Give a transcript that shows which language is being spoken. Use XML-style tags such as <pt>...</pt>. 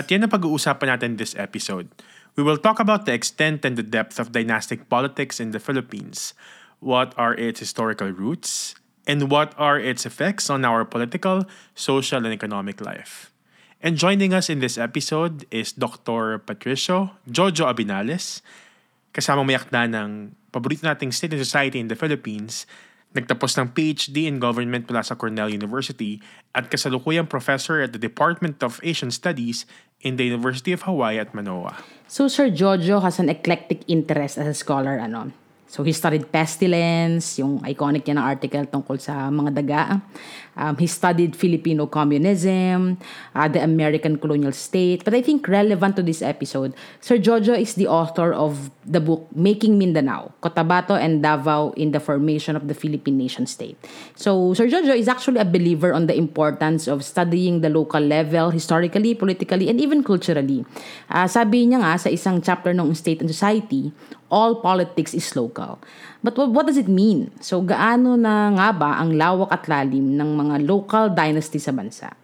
<tl>At yan ang pag-uusapan natin</tl> <en>this episode. We will talk about the extent and the depth of dynastic politics in the Philippines, what are its historical roots, and what are its effects on our political, social, and economic life. And joining us in this episode is Dr. Patricio Jojo Abinales,</en> <tl>kasamang mayakda ng paborito nating</tl> <en>state and society in the Philippines,</en> <tl>nagtapos ng</tl> <en>PhD in government</en> <tl>mula sa</tl> <en>Cornell University,</en> <tl>at kasalukuyang</tl> <en>professor at the Department of Asian Studies in the University of Hawaii at Manoa. So Sir Jojo has an eclectic interest as a scholar, ano. So he studied pestilence,</en> <tl>yung iconic niya na article tungkol sa mga daga.</tl> <en>He studied Filipino communism, the American colonial state. But I think relevant to this episode, Sir Jojo is the author of the book Making Mindanao, Cotabato and Davao in the Formation of the Philippine Nation State. So Sir Jojo is actually a believer on the importance of studying the local level historically, politically, and even culturally.</en> <tl>Sabi niya nga sa isang chapter ng State and Society,</tl> <en>all politics is local. But what does it mean?</en> <tl>So, gaano na nga ba ang lawak at lalim ng mga local dynasty sa bansa?</tl>